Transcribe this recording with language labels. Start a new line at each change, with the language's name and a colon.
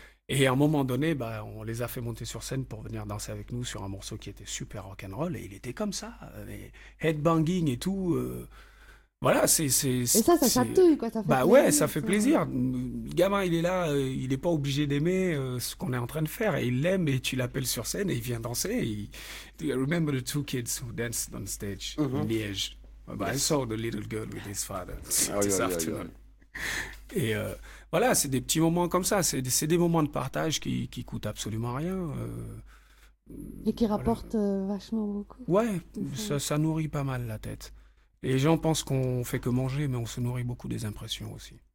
French: Et à un moment donné, on les a fait monter sur scène pour venir danser avec nous sur un morceau qui était super rock'n'roll. Et il était comme ça, headbanging et tout. Voilà, Et ça chatouille, quoi. Ça fait plaisir. Le gamin, il est là, il n'est pas obligé d'aimer ce qu'on est en train de faire. Et il l'aime, et tu l'appelles sur scène, et il vient danser.
English: Do you remember the two kids who danced on stage in Liège? I saw the little girl with his father this afternoon.
French: Et voilà, c'est des petits moments comme ça. C'est des moments de partage qui coûtent absolument rien. Et qui rapportent vachement beaucoup. Ouais, ça nourrit pas mal la tête. Les gens pensent qu'on fait que manger, mais on se nourrit beaucoup des impressions aussi.